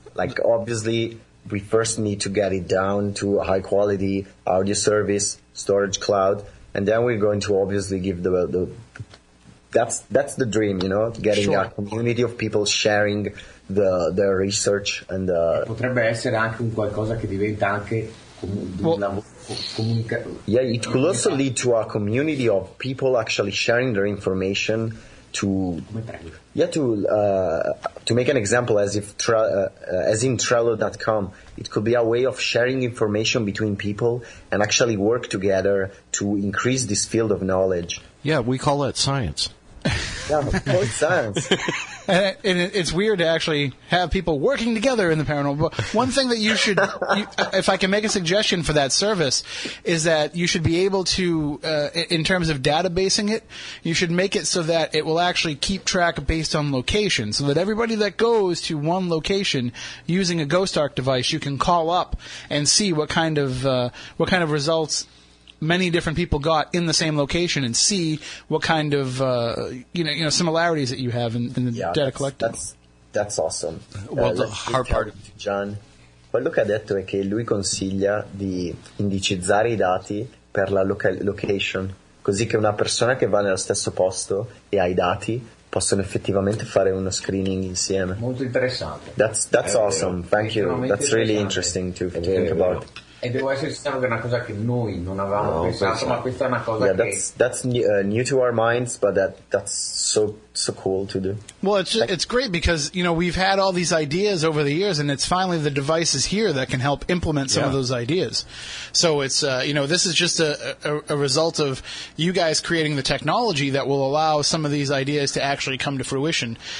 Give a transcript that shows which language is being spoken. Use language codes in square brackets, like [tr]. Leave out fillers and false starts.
[en] Like, obviously, we first need to get it down to a high-quality audio service, storage cloud, and then we're going to obviously give that's the dream, you know, getting a community of people sharing their research. And [it] potrebbe essere anche un qualcosa che diventa anche [en] It could also lead to a community of people actually sharing their information to make an example, as if as in Trello.com, it could be a way of sharing information between people and actually work together to increase this field of knowledge. Yeah, we call it science. Yeah, it's science. And it's weird to actually have people working together in the paranormal. But one thing that you should, if I can make a suggestion for that service, is that you should be able to, in terms of databasing it, you should make it so that it will actually keep track based on location, so that everybody that goes to one location using a GhostArk device, you can call up and see what kind of results many different people got in the same location and see what kind of you know similarities that you have in the data collected. That's awesome. Well, the hard part of [it] John, quello che ha detto è che lui consiglia di indicizzare i dati per la location, così che una persona che va nello stesso posto e ha i dati possono effettivamente fare uno screening insieme. Molto interessante. [en] That's awesome. Thank you. That's really interesting to think about. [it] E devo essere sincero che è una cosa che noi non avevamo pensato, ma questa è una cosa [en] New to our minds, but that's so cool to do. Well, it's great because, you know, we've had all these ideas over the years, and it's finally the devices here that can help implement some of those ideas. So it's, you know, this is just a result of you guys creating the technology that will allow some of these ideas to actually come to fruition.